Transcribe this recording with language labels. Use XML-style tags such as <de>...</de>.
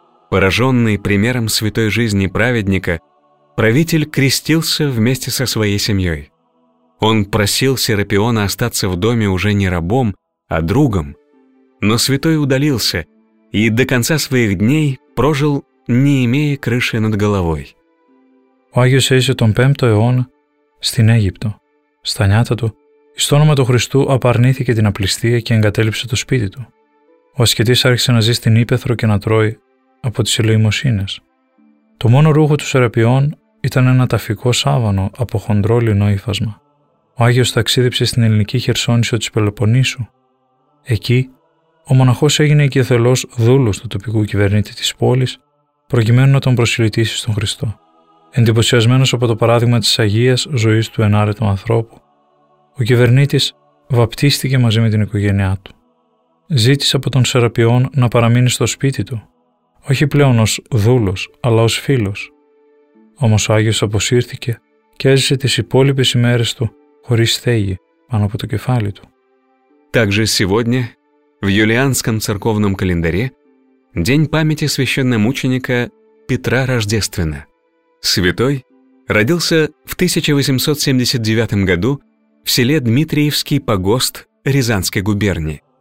<ru>Пораженный примером святой жизни праведника, правитель крестился вместе со своей семьей. Он просил Серапиона остаться в доме уже не рабом, а другом. Но святой удалился и до конца своих дней прожил, не имея крыши над головой.</ru> <el>Ο Άγιος έζησε τον 5ο αιώνα στην Αίγυπτο. Στα νιάτα του, στο όνομα του Χριστού απαρνήθηκε την απληστία και εγκατέλειψε το σπίτι του. Ο ασκητής άρχισε να ζει στην Ήπεθρο και να τρώει από τις ελεημοσύνες. Το μόνο ρούχο του Σεραπιών ήταν ένα ταφικό σάβανο από χοντρό λινό ύφασμα. Ο Άγιος ταξίδεψε στην ελληνική Χερσόνησο της Πελοποννήσου. Εκεί, ο μοναχός έγινε οικειοθελός δούλος του τοπικού κυβερνήτη της πόλης, προκειμένου να τον προσιλητήσει στον Χριστό. Εντυπωσιασμένος από το παράδειγμα της Αγίας Ζωής του ενάρετου ανθρώπου, ο κυβερνήτης βαπτίστηκε μαζί με την οικογένειά του. Ζήτησε από τον Σεραπιόν να παραμείνει στο σπίτι του, όχι πλέον ως δούλος, αλλά ως φίλος. Όμως ο Άγιος αποσύρθηκε και έζησε τις υπόλοιπες ημέρες του χωρίς στέγη πάνω από το κεφάλι του.</el> <ru>Также сегодня в юлианском церковном календаре день памяти священномученика Петра Рождественна. Святой родился в 1879 году в селе Дмитриевский Погост Рязанской губернии.</ru>